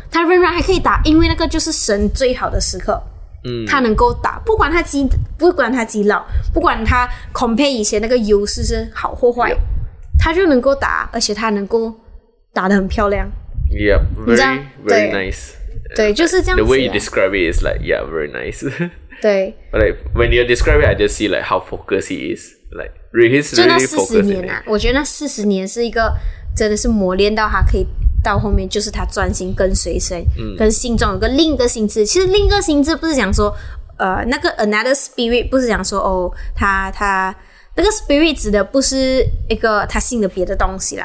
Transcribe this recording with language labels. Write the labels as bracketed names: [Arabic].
[Chinese] 他仍然还可以打因为那个就是神最好的时刻他能够打不管他几不管他几老不管他 compare 以前那个优势是好或坏、 [English] yep. [Chinese] 他就能够打而且他能够打得很漂亮 [English] yeah very, very nice [Chinese] 对就是这样子 [English] the way you describe it is like yeah very nice [Chinese] 对 [English] but like when you describe it I just see like how focused he is like he's really focused [Chinese] 就那40年啊我觉得那40年是一个真的是磨练到他可以到后面就是他专心跟随神、嗯、跟心中有个另一个心智其实另一个心智不是讲说那个 [English] another spirit [Chinese] 不是讲说哦他那个 spirit 指的不是一个他信的别的东西啦